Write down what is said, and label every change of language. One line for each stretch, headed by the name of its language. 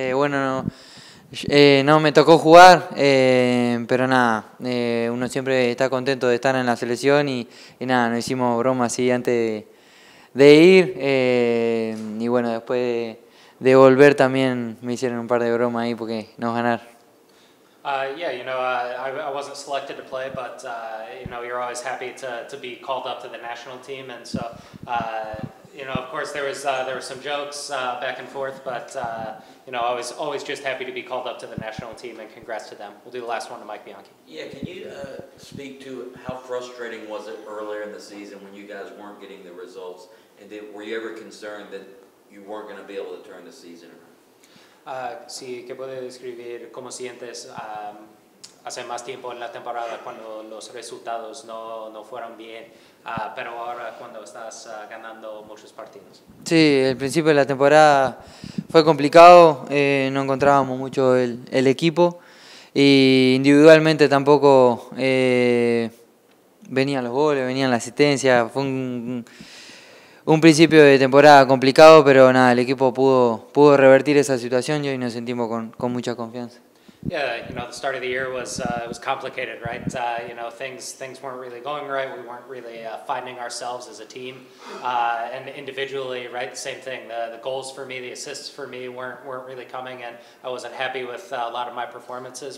Spanish: Bueno, no me tocó jugar, pero nada, uno siempre está contento de estar en la selección y nada, nos hicimos bromas así antes de ir. Y bueno, después de volver también me hicieron un par de bromas ahí porque no ganar.
English: Yeah, you know, I wasn't selected to play, but, you know, you're always happy to be called up to the national team. And so, You know, of course, there were some jokes back and forth, but you know, I was always just happy to be called up to the national team, and congrats to them. We'll do the last one to Mike Bianchi. Yeah, can you speak to how frustrating was it earlier in the season when you guys weren't getting the results, and were you ever concerned that you weren't going to be able to turn the season around?
Spanish: Sí, que puedo describir cómo sientes hace más tiempo en la temporada cuando los resultados no fueron bien. Pero ahora cuando estás ganando muchos partidos. Sí, el principio de la temporada fue complicado, no encontrábamos mucho el equipo y individualmente tampoco venían los goles, venían la asistencia. Fue un principio de temporada complicado, pero nada, el equipo pudo revertir esa situación y hoy nos sentimos con mucha confianza.
English: Yeah, you know, the start of the year was complicated, right? You know, things weren't really going right. We weren't really finding ourselves as a team, and individually, right? Same thing. The goals for me, the assists for me, weren't really coming, and I wasn't happy with a lot of my performances.